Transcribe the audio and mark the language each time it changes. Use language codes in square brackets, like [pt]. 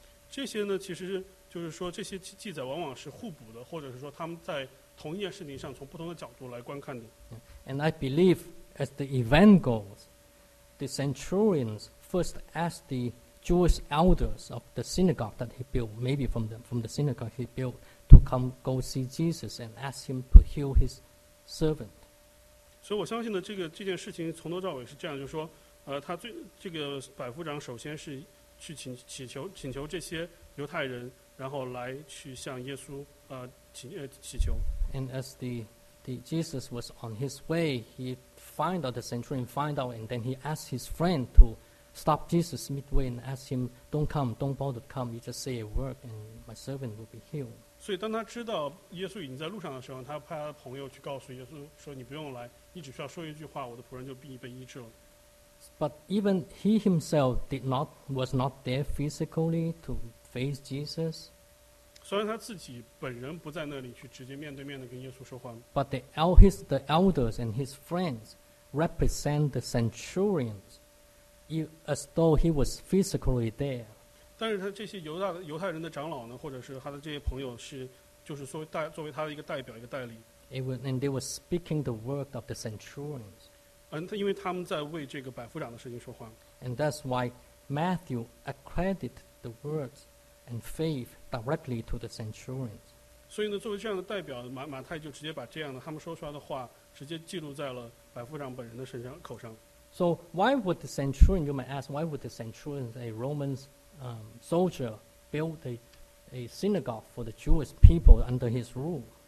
[zh] 这些呢，其实就是说这些记载往往是互补的，或者是说他们在同一件事情上从不同的角度来观看的。 [en] And I believe as the event goes, the centurions first asked the Jewish elders of the synagogue that he built, maybe from the synagogue he built, to come go see Jesus and ask him to heal his servant. [zh] 所以我相信呢，这件事情从头到尾是这样，就是说，他最这个百夫长首先是去请求这些犹太人，然后来去向耶稣祈求。 [en] And as the Jesus was on his way, he find out the centurion find out, and then he asked his friend to stop Jesus midway and ask him, "Don't come, don't bother to come. You just say a word, and my servant will be healed." [zh] 所以当他知道耶稣已经在路上的时候，他派他的朋友去告诉耶稣说：“你不用来，你只需要说一句话，我的仆人就必被医治了。” [en] But even he himself was not there physically to face Jesus. [zh] 虽然他自己本人不在那里去直接面对面的跟耶稣说话。 [en] But the elders and his friends represent the centurions as though he was physically there. [zh] 但是他这些犹太人的长老呢，或者是他的这些朋友是，就是作为他的一个代表一个代理。 [en] And they were speaking the word of the centurions. [zh] 因为他们在为这个百夫长的事情说话。 [en] And that's why Matthew accredited the words and faith directly to the centurions. [zh] 所以呢，作为这样的代表，马太就直接把这样的他们说出来的话直接记录在了百夫长本人的身上口上。 [en] So why would the centurion, you might ask, why would the centurion, a Roman soldier, build a synagogue for the Jewish people under his rule?